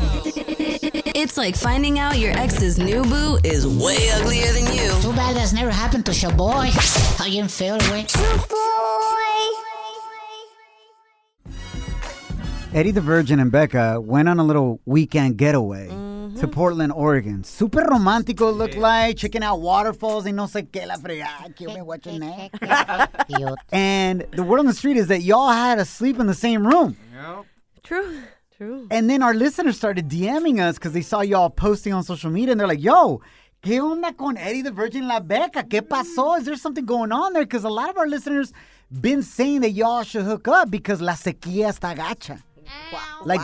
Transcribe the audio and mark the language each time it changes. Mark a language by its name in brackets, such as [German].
[English] It's like finding out your ex's new boo is way uglier than you. Too bad that's never happened to Shaboy. How you feel, boy? Shaboy. Eddie the Virgin and Becca went on a little weekend getaway. To Portland, Oregon. Super romantico it looked like. Checking out waterfalls [Spanish] y no sé qué la fregada. [English] Que me watch your neck. And the word on the street is that y'all had to sleep in the same room. Yep. True. True. And then our listeners started DMing us because they saw y'all posting on social media. And they're like, yo, [Spanish] ¿qué onda con Eddie the Virgin La Beca? ¿Qué pasó? [English] Is there something going on there? Because a lot of our listeners been saying that y'all should hook up because [Spanish] la sequía está gacha. [English] Like,